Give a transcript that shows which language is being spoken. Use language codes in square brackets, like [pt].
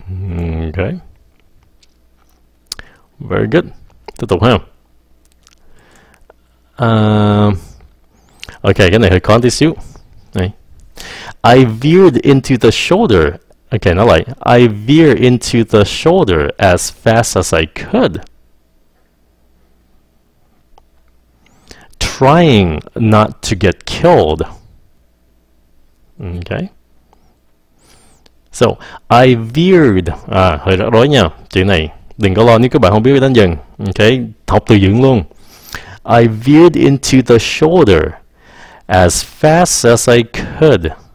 [en] Okay. Very good. [vi] Tiếp tục ha. Okay, cái này hơi khó tí xíu. [en] Này. I veered into the shoulder. Okay, not like I veer into the shoulder as fast as I could, trying not to get killed. [vi] Okay. [en] So I veered. [vi] Ah, hơi rắc rối nha. Chữ này đừng có lo nếu các bạn không biết đánh dừng. Okay, học từ dừng luôn. [en] I veered into the shoulder as fast as I could.